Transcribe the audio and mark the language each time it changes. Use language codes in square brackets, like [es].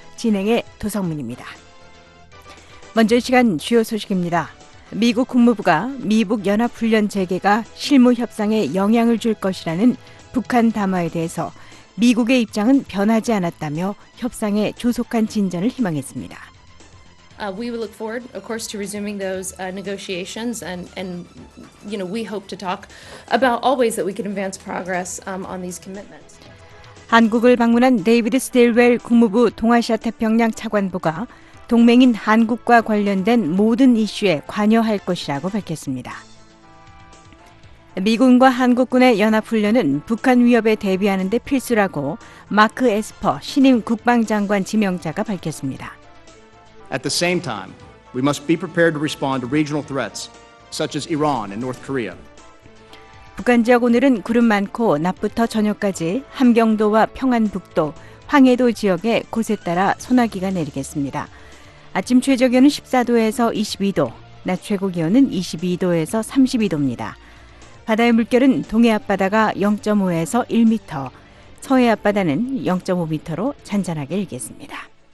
[ko] 진행의 도성문입니다. 먼저 시간 주요 소식입니다. 미국 국무부가 미북 연합훈련 재개가 실무 협상에 영향을 줄 것이라는 북한 담화에 대해서 미국의 입장은 변하지 않았다며 협상에 조속한 진전을 희망했습니다. [en] We will look forward, of course, to resuming those negotiations, and you know, we hope to talk about all ways that we can advance progress on these commitments. [ko] 한국을 방문한 데이비드 스틸웰 국무부 동아시아 태평양 차관보가 동맹인 한국과 관련된 모든 이슈에 관여할 것이라고 밝혔습니다. 미군과 한국군의 연합훈련은 북한 위협에 대비하는 데 필수라고 마크 에스퍼 신임 국방장관 지명자가 밝혔습니다. [en] At the same time, we must be prepared to respond to regional threats such as Iran and North Korea. [ko] 북한 지역 오늘은 구름 많고 낮부터 저녁까지 함경도와 평안북도, 황해도 지역에 곳에 따라 소나기가 내리겠습니다. 아침 최저 기온은 14도에서 22도, 낮 최고 기온은 22도에서 32도입니다. 바다의 물결은 동해 앞바다가 0.5에서 1m, 서해 앞바다는 0.5m로 잔잔하게 일겠습니다.